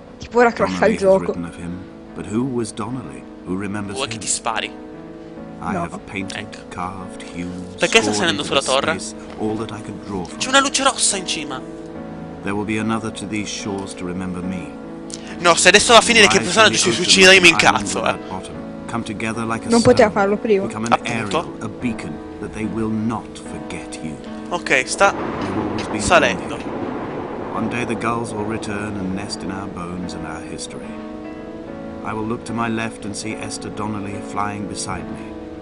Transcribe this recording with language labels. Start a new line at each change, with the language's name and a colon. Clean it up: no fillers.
Italian: Tipo ora crasha il gioco.
English: Written of him, but who was Donnelly? Who remembers him?
Italian: Che ti spari.
English: I have painted, carved, hewn.
Italian: Perché sta salendo sulla torre?
English: All that I could draw from.
Italian: C'è una luce rossa in cima.
English: There will be another to these shores to remember me.
Italian: No, se adesso va a finire che il personaggio si suicida io mi incazzo,
English: Come together like a
Italian: non poteva farlo prima. Appunto.
English: A beacon that they will not forget you.
Italian: Ok, sta salendo.
English: One day the gulls will return and nest in our bones and our history. I will look to my left and see Esther Donnelly flying beside me.